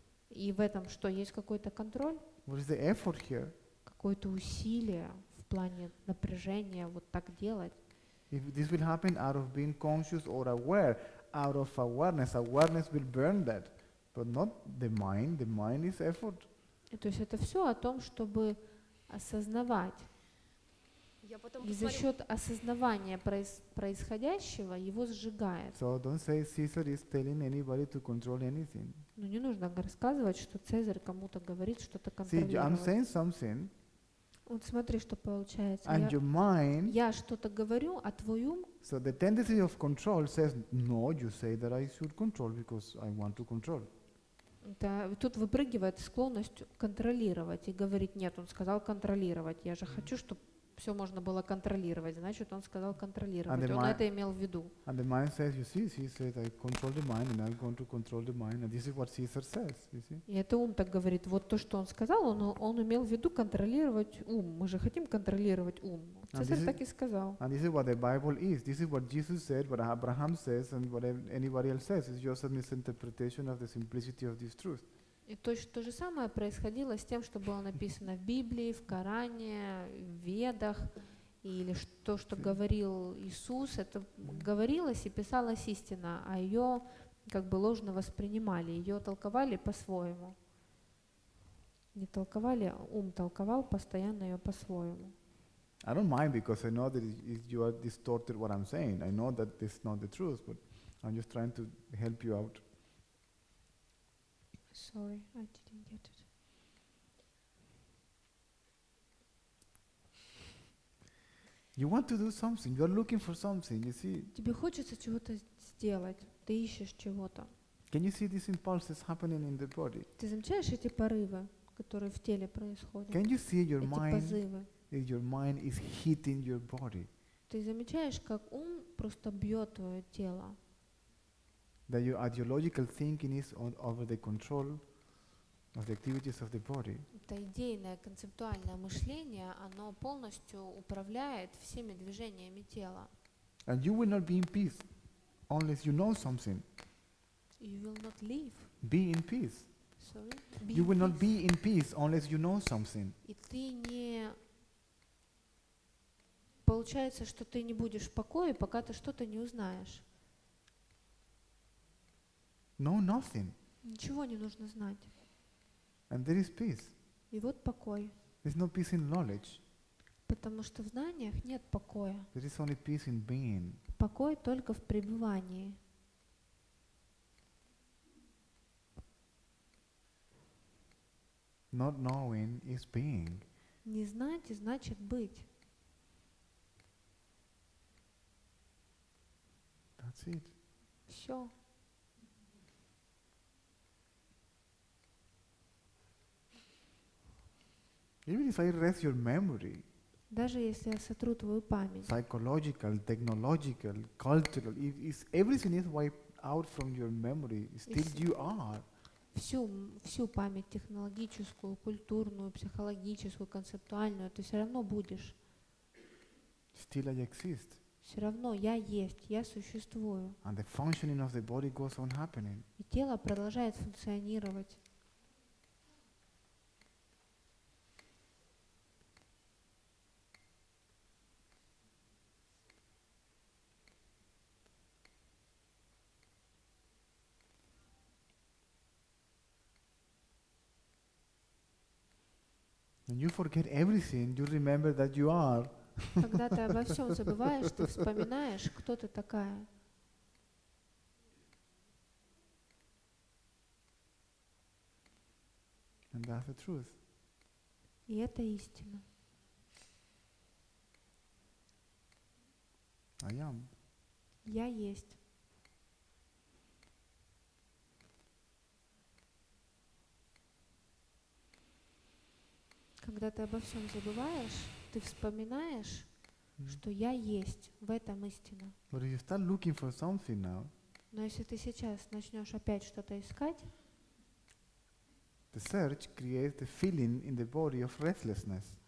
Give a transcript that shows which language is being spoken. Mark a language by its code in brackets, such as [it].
[ru] И в этом что, есть какой-то контроль? [en] What is the effort here? [ru] Какое-то усилие в плане напряжения вот так делать. [en] If this will happen out of being conscious or aware, out of awareness, awareness will burn that, but not the mind. The mind is effort. [ru] И то есть это все о том, чтобы осознавать. И за счет осознавания происходящего его сжигает. [en] So don't say Caesar is telling anybody to control anything. [ru] Ну не нужно рассказывать, что Цезарь кому-то говорит что-то контролировать. [en] See, I'm saying something. [ru] Вот смотри, что получается. [en] And your mind. [ru] Я что-то говорю, а твой ум. [en] So the tendency of control says, no, you say that I should control because I want to control. [ru] Да, тут выпрыгивает склонность контролировать и говорить, нет, он сказал контролировать, я же хочу, чтобы все можно было контролировать, значит, он сказал контролировать, он это имел в виду. [en] And the mind says, you see, Caesar said, I control the mind, and I'm going to control the mind, and this is what Caesar says, you see. [ru] И это ум так говорит, вот то, что он сказал, он имел в виду контролировать ум, мы же хотим контролировать ум. Цезарь так и сказал. [en] And this is what the Bible is, this is what Jesus said, what Abraham says, and what anybody else says, it's just a misinterpretation of the simplicity of this truth. [ru] И точно то же самое происходило с тем, что было написано в Библии, в Коране, в Ведах, или то, что говорил Иисус, это говорилось и писалось истина, а ее как бы ложно воспринимали, ее толковали по-своему. Не толковали, ум толковал постоянно ее по-своему. [en] I don't mind because I know that you are distorted what I'm saying. I know that this is not the truth, but I'm just trying to help you out. Sorry, I didn't get it. You want to do something. You're looking for something. You see. [ru] Тебе хочется чего-то сделать. Ты ищешь чего-то. [en] Can you see these impulses happening in the body? [ru] Ты замечаешь эти порывы, которые в теле происходят? [en] Can you see your mind? [ru] Эти позывы. [en] If your mind is hitting your body. [ru] Ты замечаешь, как ум просто бьет твое тело? [en] That your ideological thinking is over the control of the activities of the body. [ru] Это идейное, концептуальное мышление, оно полностью управляет всеми движениями тела. [en] And you will not be in peace unless you know something. You will not live. Be in peace. Sorry. You will not be in peace unless you know something. [ru] И ты не получается, что ты не будешь в покое, пока ты что-то не узнаешь. [en] No, nothing. [ru] Ничего не нужно знать. [en] And there is peace. [ru] И вот покой. [en] There's no peace in knowledge. [ru] Потому что в знаниях нет покоя. [en] There is only peace in being. [ru] Покой только в пребывании. [en] Not knowing is being. [ru] Не знать значит быть. [en] That's it. [ru] Все. [en] Even if I erase your memory, [ru] даже если я сотру твою память, [en] psychological, technological, cultural, everything is wiped out from your memory, still you are. [ru] Всю память технологическую, культурную, психологическую, концептуальную, ты все равно будешь. [en] Still I exist. [ru] Все равно я есть, я существую. [en] And the functioning of the body goes on happening. [ru] И тело продолжает функционировать. [en] When you forget everything, you remember that you are. [ru] Когда ты обо всем забываешь, ты вспоминаешь, кто ты такая. [en] And that's the truth. [ru] И это истина. [en] I am. [ru] Я есть. Когда ты обо всем забываешь, ты вспоминаешь, mm-hmm. что я есть, в этом истина. [en] But if you start looking for something now, [ru] но если ты сейчас начнешь опять что-то искать, [en] the search creates a feeling in the body of restlessness.